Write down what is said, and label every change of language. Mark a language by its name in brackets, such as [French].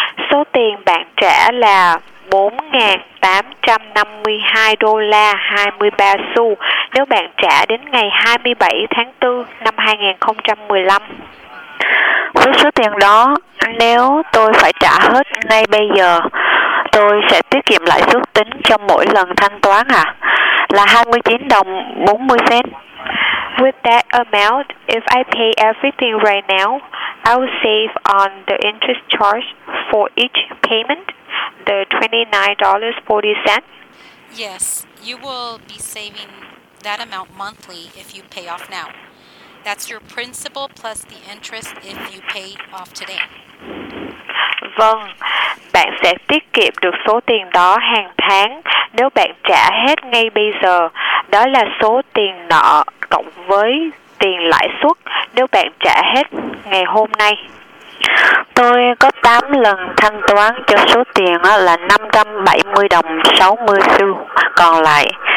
[Vietnamese] Số tiền bạn trả là 4.852 đô la 23 xu nếu bạn trả đến ngày 27 tháng 4 năm 2015. Với số tiền đó, nếu tôi phải trả hết ngay bây giờ, tôi sẽ tiết kiệm lãi suất tính cho mỗi lần thanh toán à? Là 29 đồng 40 cent. [English] With that amount, if I pay everything right now, I will save on the interest charge for each payment, the $29.40. Yes, you will be saving that amount monthly if you pay off now. That's your principal plus the interest if you pay off today. [Vietnamese] Vâng, bạn sẽ tiết kiệm được số tiền đó hàng tháng nếu bạn trả hết ngay bây giờ. Đó là số tiền nợ cộng với tiền lãi suất nếu bạn trả hết ngày hôm nay. Tôi có 8 lần thanh toán cho số tiền là 570 đồng 60 xu còn lại.